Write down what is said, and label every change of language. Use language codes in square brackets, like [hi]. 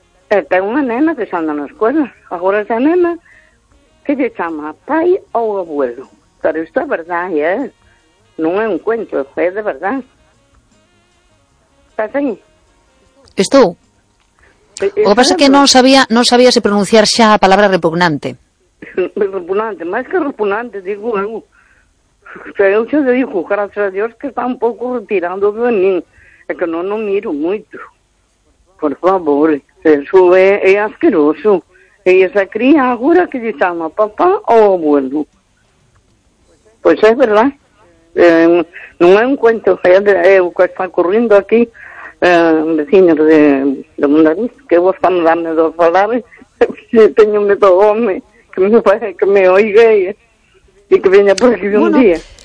[gl] E ten unha nena que xa anda na escuela, agora esa nena que lle chama pai ou abuelo, pero isto é verdade, é. [es] No es un cuento, es de verdad. ¿Estás ahí? [gl] ¿Estou? [es] Lo que pasa es que no sabía si pronunciar ya la palabra repugnante. Repugnante, más que repugnante, digo. Yo le digo, gracias a Dios que está un poco retirando de mí. Es que no miro mucho. Por favor, eso es asqueroso. Y esa cría ahora que se llama papá o abuelo. Pues es verdad. [gl] non é un cuento, é o que está ocorrendo aquí, veciños de Mondariz, que vos están dando de falar, teño medo do home, que me oiga e que veña por aquí un día.